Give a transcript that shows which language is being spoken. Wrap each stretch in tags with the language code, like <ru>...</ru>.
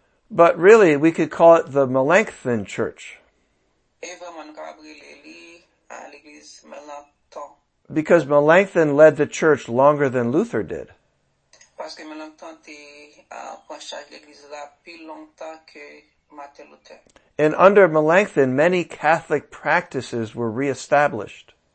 <en>But really, we could call it the Melanchthon Church.</en> <fr>Et vraiment, on peut appeler l'église Melanchthon.</fr> <en>Because Melanchthon led the church longer than Luther did.</en> <fr>Parce que Melanchthon était en charge de l'église là plus longtemps que Martin Luther.</fr> <en>And under Melanchthon, many Catholic practices were reestablished.</en>